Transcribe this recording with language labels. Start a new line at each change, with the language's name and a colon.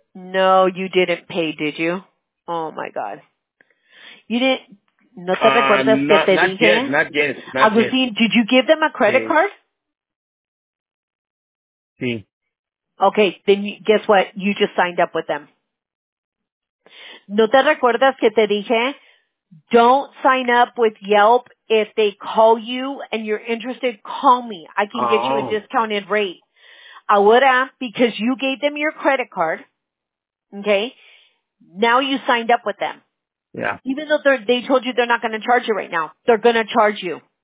English: No, you didn't pay, did you? Oh my God. You didn't,
Spanish: no te recuerdas que te dije?
English: Not yet. Agustin, did you give them a credit card? Okay, then guess what? You just signed up with them.
Spanish: ¿No te recuerdas que te dije?
English: Don't sign up with Yelp. If they call you and you're interested, call me. I can get you a discounted rate.
Spanish: Ahora,
English: because you gave them your credit card, okay, now you signed up with them. Yeah. Even though they told you they're not going to charge you right now, they're going to charge you.